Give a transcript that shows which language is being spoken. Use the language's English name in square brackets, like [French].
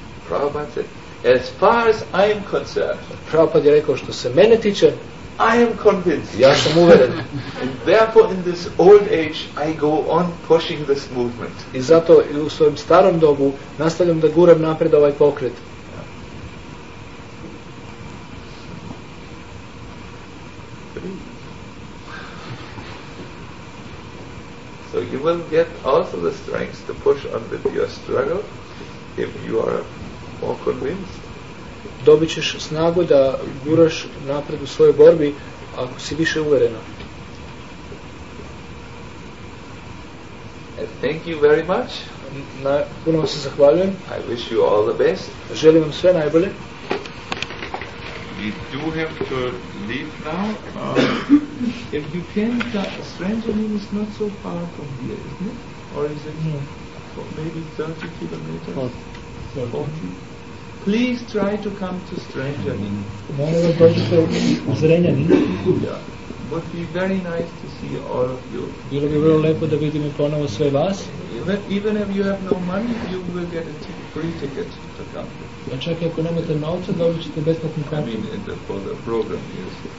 [English] Prabhupada said, as far as I am concerned. [Serbian] Prabhupada je rekao, što se mene tiče, [English] I am convinced. [Serbian] Ja sam uveren. [English] And therefore in this old age I go on pushing this movement. [Serbian] I zato u svojem starom dobu nastavljam da guram napred ovaj pokret. [English] So you will get also the strength to push on with your struggle if you are more convinced. [Serbian] Dobit ćeš snagu da guraš napred u svojoj borbi ako si više uvjerena. [English] Thank you very much. [Serbian] Puno vam se zahvaljujem. [English] I wish you all the best. [Serbian] Želim vam sve najbolje. [English] We do have to leave now. If you can, Stranger Name is not so far from here, isn't it? Or is it maybe 30 kilometers? 40. Please try to come to Zrenjanin. [Serbian] Molim vas dođite u Zrenjanin. [English] Would be very nice to see all of you. [Serbian] Bilo bi vrlo lepo da vidimo ponovo sve vas. [English] Even if you have no money, you will get a free ticket to come. [Serbian] A čak ako nemate novca, dobit ćete besplatnu kartu. [English] I mean, for the program, yes.